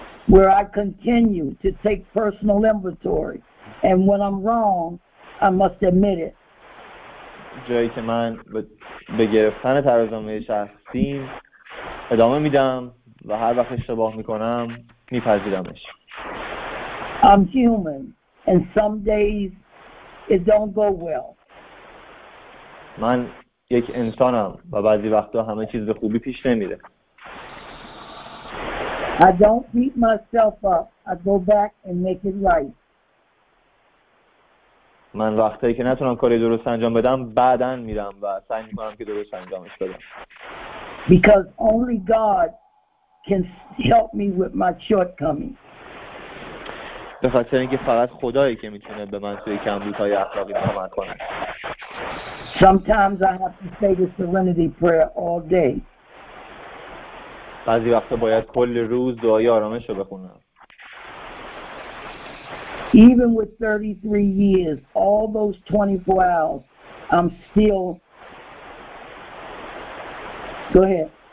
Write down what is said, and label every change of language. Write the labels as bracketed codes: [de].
[en] Where I continue to take personal inventory, and when I'm wrong, I must admit it. [fa] جایی که من به گرفتن ترازنامه شخصی ادامه میدم و هر وقت اشتباه میکنم میپذیرمش. [en] I'm human, and some days it don't go well. [fa] من یک انسانم و بعضی وقتا همه چیز به خوبی پیش نمیره. [en] I don't beat myself up. I go back and make it right. [fa] من وقتی که نتونم کاری درست انجام بدم بعداً میرم و سعی میکنم که درست انجامش بدم. [en] Because only God can help me with my shortcomings. [fa] به خاطر اینکه فقط خدایی که میتونه به من توی کمبودهای اخلاقی کمک کنه. [en] Sometimes I have to say the serenity prayer all day. [fa] بعضی وقتا باید کل روز دعای آرامش رو بخونم. [en] even with 33 years, all those 24 hours, I'm still, go ahead.